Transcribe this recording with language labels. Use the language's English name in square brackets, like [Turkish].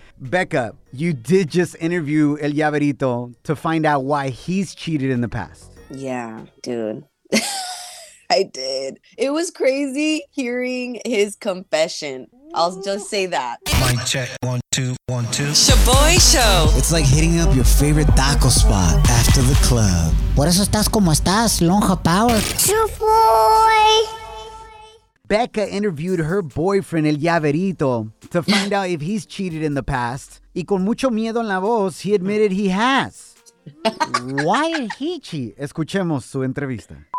[English] Becca, you did just interview El Llaverito to find out why he's cheated in the past. Yeah, dude. I did. It was crazy hearing his confession. I'll just say that. Mic check. 1, 2, 1, 2. Shoboy Show. It's like hitting up your favorite taco spot after the club. [Spanish] Por eso estás como estás, lonja power. [English] Shoboy. Becca interviewed her boyfriend, El Llaverito, to find out if he's cheated in the past. [Spanish] Y con mucho miedo en la voz, [English] he admitted he has. Why did he cheat? [Spanish] Escuchemos su entrevista.